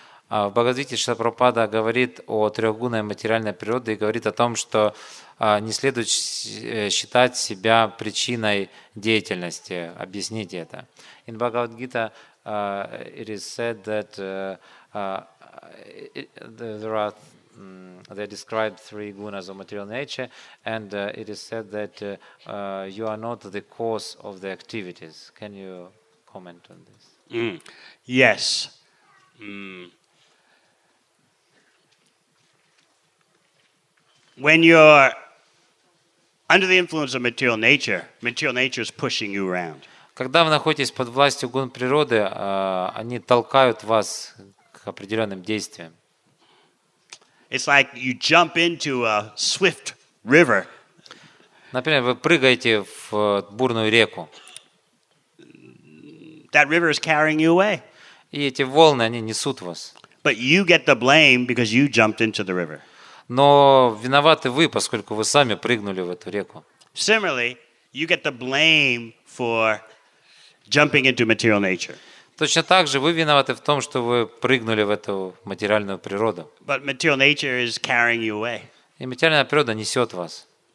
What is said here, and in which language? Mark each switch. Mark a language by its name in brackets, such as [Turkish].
[Russian] В Бхагавад-гите Шрила Прабхупада говорит о трехгунной материальной природе и говорит о том, что не следует считать себя причиной деятельности. Объясните это. [English] In Bhagavad-gita, it is said that they describe three gunas of material nature, and it is said that you are not the cause of the activities. Can you comment on this? Yes. When you're under the influence of material nature is pushing you around. [Russian] Когда вы находитесь под властью гун природы, они толкают вас к определенным действиям. [English] It's like you jump into a swift river. [Russian] Например, вы прыгаете в бурную реку. [English] That river is carrying you away. [Russian] И эти волны, они несут вас. [English] But you get the blame because you jumped into the river. [Russian] Но виноваты вы, поскольку вы сами прыгнули в эту реку. [English] Similarly, you get the blame for jumping into material nature. [Russian] Точно так же вы виноваты в том, что вы прыгнули в эту материальную природу. [English] But material nature is carrying you away. [Russian] И материальная природа несет вас.